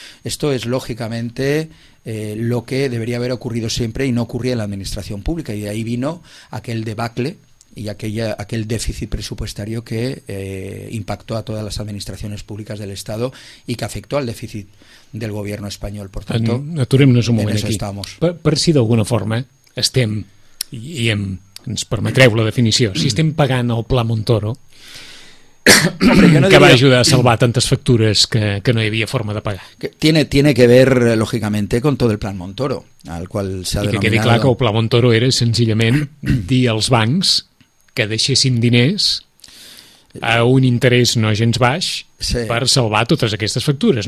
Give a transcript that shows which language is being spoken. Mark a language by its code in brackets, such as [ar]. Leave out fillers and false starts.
[es] Esto es, lógicamente, lo que debería haber ocurrido siempre y no ocurría en la Administración Pública, y de ahí vino aquel debacle y aquel déficit presupuestario que impactó a todas las administraciones públicas del Estado y que afectó al déficit del gobierno español. Por tanto, [ca] aturem-nos un moment aquí. Per si d'alguna forma estem, ens permetreu la definició, si estem pagant el Pla Montoro, que va ajudar a salvar tantes factures que no hi havia forma de pagar. [es] Tiene que ver, lógicamente, con todo el Plan Montoro, al cual se ha denominado... [ca] I que quedi clar que el Pla Montoro era, senzillament, dir als bancs que deixessin diners a un interès no gens baix, sí, per salvar totes aquestes factures.